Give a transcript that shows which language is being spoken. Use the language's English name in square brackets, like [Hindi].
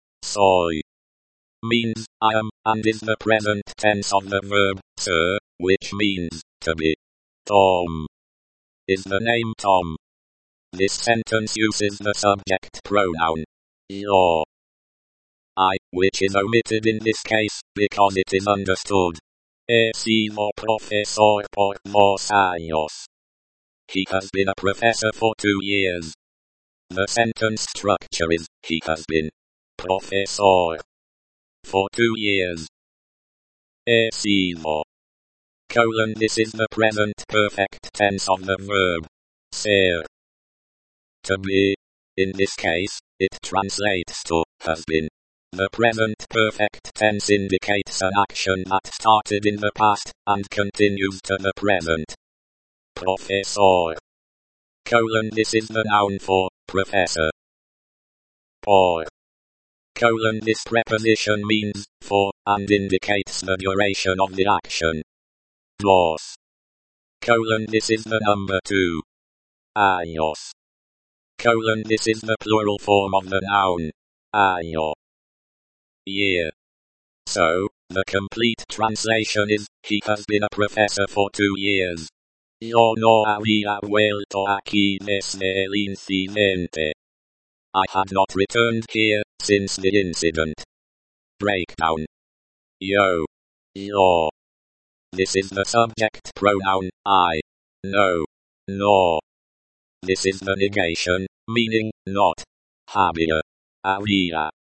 [English] Soy means I am and is the present tense of the verb ser, which means to be. Tom is the name Tom. This sentence uses the subject pronoun yo, I, which is omitted in this case because it is understood. [Spanish] He sido profesor por dos años. [English] He has been a professor for 2 years. The sentence structure is he has been profesor for 2 years. He sido colon, this is the present perfect tense of the verb ser to be. In this case, it translates to has been. The present perfect tense indicates an action that started in the past and continues to the present. Profesor colon, this is the noun for professor. Por colon, this preposition means for and indicates the duration of the action. Dos colon, this is the number 2. Años colon, this is the plural form of the noun año, year. So, the complete translation is, he has been a professor for 2 years. [Spanish] Yo no había vuelto aquí desde el incidente. [English] I had not returned here since the incident. Breakdown. Yo. Yo. This is the subject pronoun, I. No. No. This is the negation, meaning, not. Había. Había.